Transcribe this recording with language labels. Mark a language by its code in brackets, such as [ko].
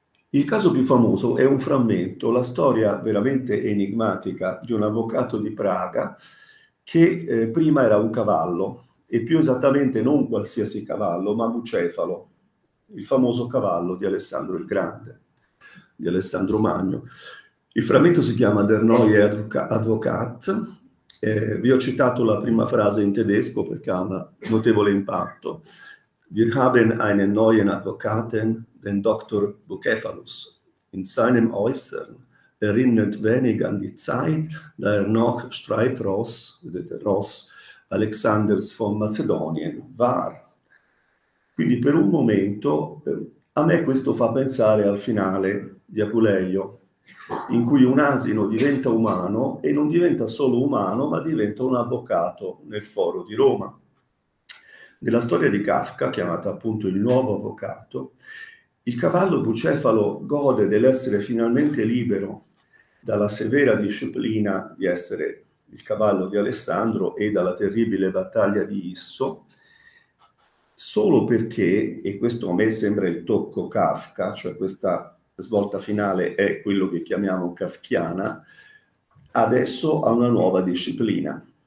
[it] Il caso più famoso è un frammento, la storia veramente enigmatica di un avvocato di Praga che prima era un cavallo, e più esattamente non qualsiasi cavallo, ma Bucefalo, il famoso cavallo di Alessandro il Grande, di Alessandro Magno. Il frammento si chiama Der neue Advokat. Vi ho citato la prima frase in tedesco perché ha un notevole impatto. [de] Wir haben einen neuen Advokaten, den Dr. Bucephalus. In seinem Äußern erinnert wenig an die Zeit, da noch Streitross, [it] vedete, [de] Ross, Alexanders von Macedonien war. [it] Quindi per un momento a me questo fa pensare al finale di Apuleio, in cui un asino diventa umano e non diventa solo umano, ma diventa un avvocato nel foro di Roma. Nella storia di Kafka, chiamata appunto il nuovo avvocato, il cavallo Bucefalo gode dell'essere finalmente libero dalla severa disciplina di essere il cavallo di Alessandro e dalla terribile battaglia di Isso, solo perché, e questo a me sembra il tocco Kafka, cioè questa svolta finale è quello che chiamiamo kafkiana, adesso ha una nuova disciplina.